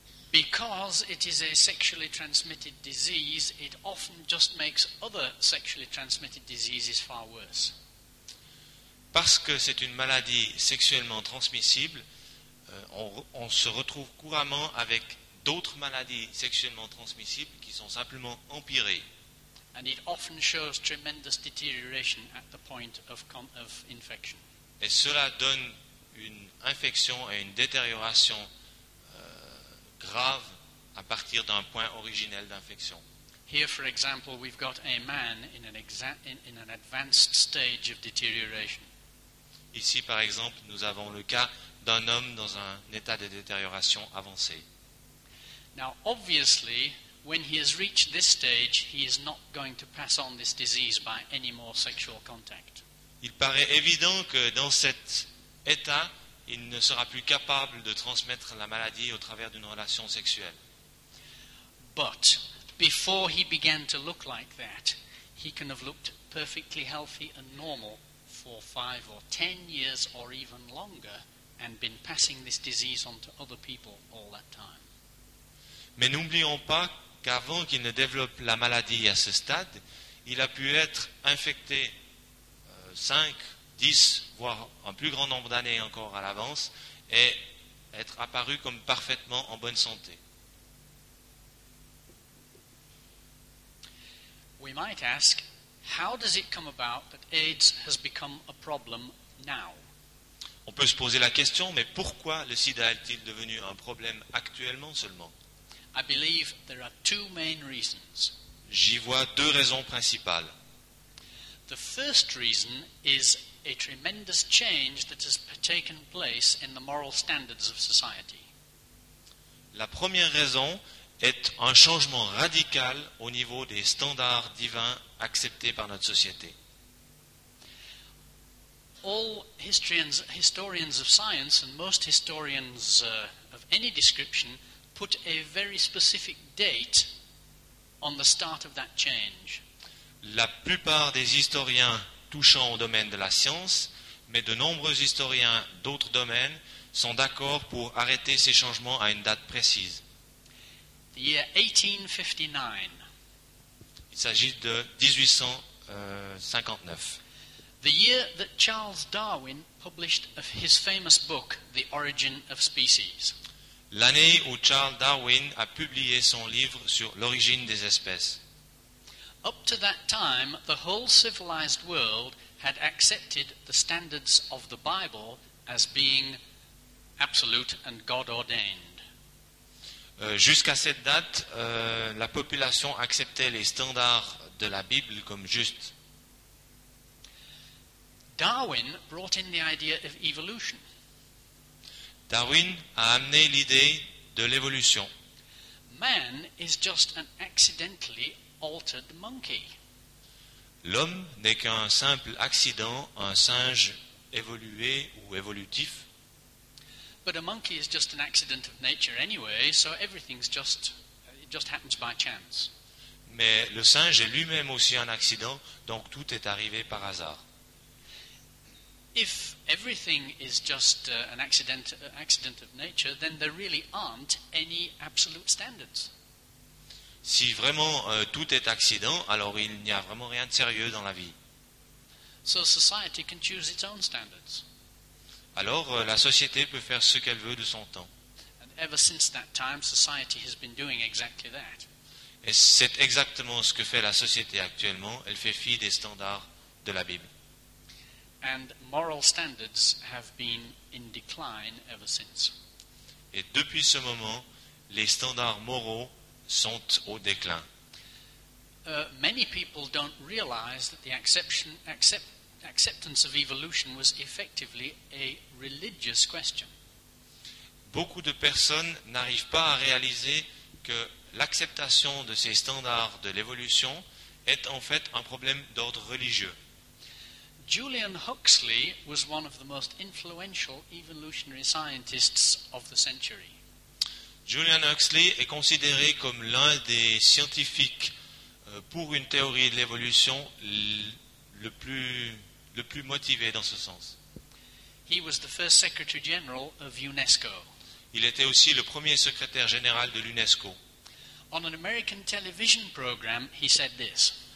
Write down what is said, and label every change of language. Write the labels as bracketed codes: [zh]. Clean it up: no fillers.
[en] Because it is a sexually transmitted disease, it often just makes other sexually transmitted diseases far worse. [fr] Parce que c'est une maladie sexuellement transmissible, on se retrouve couramment avec d'autres maladies sexuellement transmissibles qui sont simplement empirées. [en] And it often shows tremendous deterioration at the point of infection. [fr] Et cela donne une infection et une détérioration grave à partir d'un point originel d'infection. [en] Here, for example, we've got a man in an advanced stage of deterioration. [fr] Ici, par exemple, nous avons le cas d'un homme dans un état de détérioration avancé. [en] Now, obviously, when he has reached this stage, he is not going to pass on this disease by any more sexual contact. [fr] Il paraît évident que dans cet état, il ne sera plus capable de transmettre la maladie au travers d'une relation sexuelle. [en] But before he began to look like that, he can have looked perfectly healthy and normal for 5 or 10 years or even longer and been passing this disease on to other people all that time. [fr] Mais n'oublions pas qu'avant qu'il ne développe la maladie à ce stade, il a pu être infecté 5, 10, voire un plus grand nombre d'années encore à l'avance, et être apparu comme parfaitement en bonne santé. [en] We might ask, how does it come about that AIDS has become a problem now? [fr] On peut se poser la question, mais pourquoi le sida est-il devenu un problème actuellement seulement? [en] I believe there are two main reasons. [fr] J'y vois deux raisons principales. [en] The first reason is a tremendous change that has taken place in the moral standards of society. [fr] La première raison est un changement radical au niveau des standards divins acceptés par notre société. [en] All historians of science and most historians of any description put a very specific date on the start of that change. [fr] La plupart des historiens touchant au domaine de la science, mais de nombreux historiens d'autres domaines, sont d'accord pour arrêter ces changements à une date précise. [en] The year 1859. [fr] Il s'agit de 1859. [en] The year that Charles Darwin published his famous book, The Origin of Species. [fr] L'année où Charles Darwin a publié son livre sur l'origine des espèces. [en] Up to that time, the whole civilized world had accepted the standards of the Bible as being absolute and God-ordained. [fr] Jusqu'à cette date, la population acceptait les standards de la Bible comme justes. [en] Darwin brought in the idea of evolution. [fr] Darwin a amené l'idée de l'évolution. [en] Man is just an accidentally altered monkey. [fr] L'homme n'est qu'un simple accident, un singe évolué ou évolutif. [en] But a monkey is just an accident of nature anyway, so everything's just it just happens by chance. [fr] Mais le singe est lui-même aussi un accident, donc tout est arrivé par hasard. [en] If everything is just an accident of nature, then there really aren't any absolute standards. [fr] Si vraiment tout est accident, alors il n'y a vraiment rien de sérieux dans la vie. [en] So society can choose its own standards. [fr] Alors, la société peut faire ce qu'elle veut de son temps. [en] And ever since that time, society has been doing exactly that. [fr] Et c'est exactement ce que fait la société actuellement. Elle fait fi des standards de la Bible. [en] And moral standards have been in decline ever since. [fr] Et depuis ce moment, les standards moraux sont au déclin. [en] Many people don't realize that the acceptance of evolution was effectively a religious question. [fr] Beaucoup de personnes n'arrivent pas à réaliser que l'acceptation de ces standards de l'évolution est en fait un problème d'ordre religieux. [en] Julian Huxley was one of the most influential evolutionary scientists of the century. [fr] Julian Huxley est considéré comme l'un des scientifiques pour une théorie de l'évolution le plus motivé dans ce sens. [en] He was the first secretary general of UNESCO. [fr] Il était aussi le premier secrétaire général de l'UNESCO. [en] On an American television program, he said this.